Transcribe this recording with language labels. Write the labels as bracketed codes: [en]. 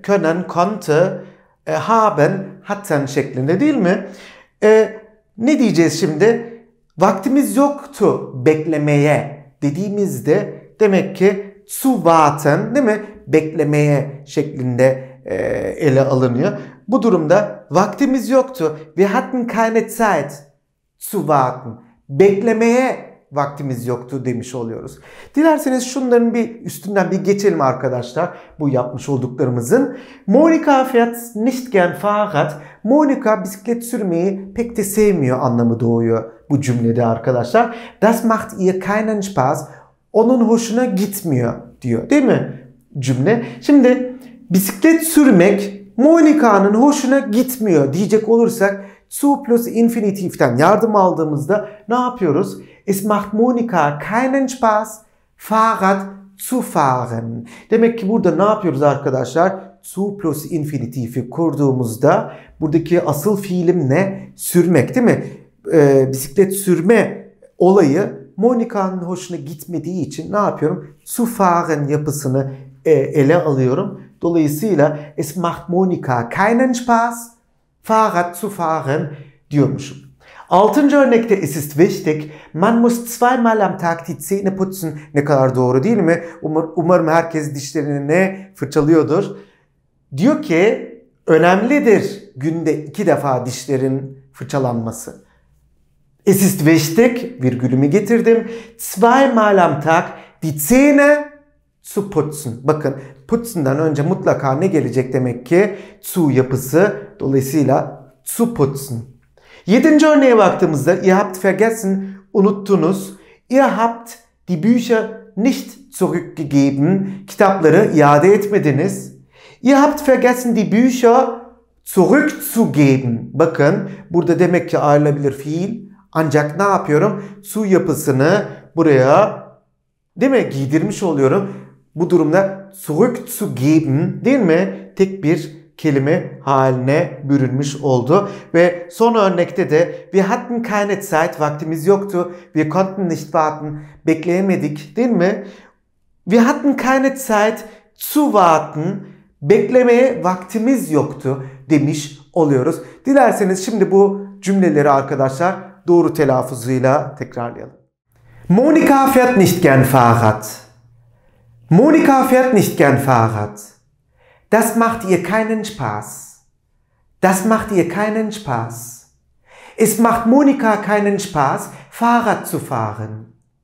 [de] Können, konnte, haben, hatten [tr] şeklinde değil mi? Ne diyeceğiz şimdi? Vaktimiz yoktu beklemeye dediğimizde demek ki [de] zu warten [tr] değil mi? Beklemeye şeklinde ele alınıyor. Bu durumda vaktimiz yoktu. [de] Wir hatten keine Zeit zu warten. [tr] Beklemeye vaktimiz yoktu demiş oluyoruz. Dilerseniz şunların bir üstünden bir geçelim arkadaşlar. Bu yapmış olduklarımızın. [de] Monica fährt nicht gern Fahrrad. [tr] Monica bisiklet sürmeyi pek de sevmiyor anlamı doğuyor bu cümlede arkadaşlar. [de] Das macht ihr keinen Spaß. [tr] Onun hoşuna gitmiyor diyor. Değil mi cümle? Şimdi bisiklet sürmek Monica'nın hoşuna gitmiyor diyecek olursak zu plus infinitiften yardım aldığımızda ne yapıyoruz? [de] Es macht Monica keinen Spaß Fahrrad zu fahren. [tr] Demek ki burada ne yapıyoruz arkadaşlar? Zu plus infinitifi kurduğumuzda buradaki asıl fiilim ne? Sürmek değil mi? Bisiklet sürme olayı Monica'nın hoşuna gitmediği için ne yapıyorum? [de] Zu fahren [tr] yapısını ele alıyorum. [de] Dolayısıyla es macht Monika keinen Spaß Fahrrad zu fahren diyormuşum. [tr] Altıncı örnekte [de] es ist wichtig, man muss zweimal am Tag die Zähne putzen. [tr] Ne kadar doğru değil mi? Umarım herkes dişlerini ne fırçalıyordur. Diyor ki önemlidir günde iki defa dişlerin fırçalanması. [de] Es ist wichtig, [tr] virgülümü getirdim. [de] Zweimal am Tag die Zähne zu putzen. [tr] Bakın putzen'dan önce mutlaka ne gelecek demek ki? Zu yapısı. Dolayısıyla [de] zu putzen. [tr] Yedinci örneğe baktığımızda [de] ihr habt vergessen, [tr] unuttunuz. [de] Ihr habt die Bücher nicht zurückgegeben. [tr] Kitapları iade etmediniz. [de] Ihr habt vergessen die Bücher zurückzugeben. [tr] Bakın burada demek ki ayrılabilir fiil. Ancak ne yapıyorum? Zu yapısını buraya değil mi? Giydirmiş oluyorum. Bu durumda zurückzugeben değil mi? Tek bir kelime haline bürünmüş oldu. Ve son örnekte de [de] wir hatten keine Zeit, [tr] vaktimiz yoktu. [de] Wir konnten nicht warten, [tr] bekleyemedik değil mi? [de] Wir hatten keine Zeit zu warten, [tr] beklemeye vaktimiz yoktu demiş oluyoruz. Dilerseniz şimdi bu cümleleri arkadaşlar doğru telaffuzuyla tekrarlayalım. [de] Monika fährt nicht gern Fahrrad. Monika fährt nicht gern Fahrrad. Das macht ihr keinen Spaß. Das macht ihr keinen Spaß. Es macht Monika keinen Spaß, Fahrrad zu fahren.